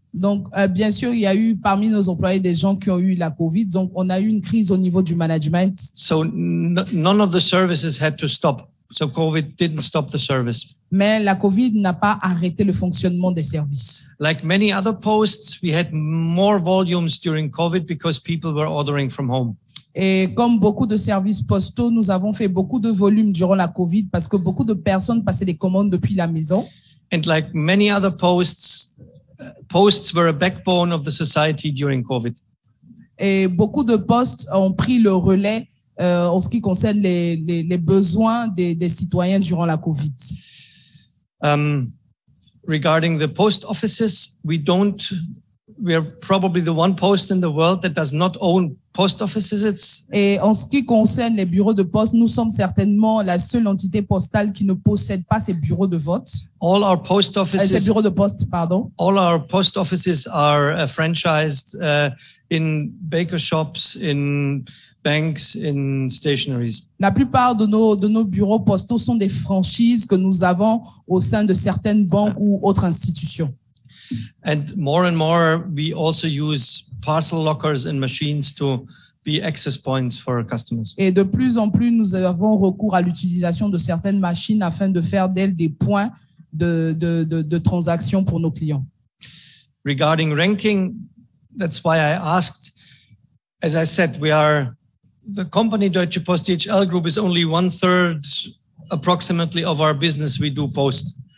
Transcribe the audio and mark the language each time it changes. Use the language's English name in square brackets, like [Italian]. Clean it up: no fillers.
[French] Donc, bien sûr, il y a eu parmi nos employés des gens qui ont eu la COVID. Donc, on a eu une crise au niveau du management. [English] So, none of the services had to stop. So, COVID didn't stop the service. [French] Mais la COVID n'a pas arrêté le fonctionnement des services. [English] Like many other posts, we had more volumes during COVID because people were ordering from home. [French] Et comme beaucoup de services postaux, nous avons fait beaucoup de volumes durant la COVID parce que beaucoup de personnes passaient des commandes depuis la maison. [English] And like many other posts, posts were a backbone of the society during COVID. [French] Et beaucoup de postes ont pris le relais en ce qui concerne les besoins des citoyens durant la COVID. [English] Regarding the post offices, we are probably the one post in the world that does not own post offices. [French] Et en ce qui concerne les bureaux de poste, nous sommes certainement la seule entité postale qui ne possède pas ses bureaux de vote. [English] All our post offices, [French] ses bureaux de poste, pardon. [English] All our post offices are franchised in baker shops, in banks, in stationaries. [French] La plupart de nos bureaux postaux sont des franchises que nous avons au sein de certaines banques ou autres institutions. [English] And more, we also use parcel lockers and machines to be access points for our customers. [French] Et de plus en plus, nous avons recours à l'utilisation de certaines machines afin de faire d'elles des points de transaction pour nos clients. [English] Regarding ranking, that's why I asked. As I said, we are the company Deutsche Post DHL Group is only one third approximately of our business we do post.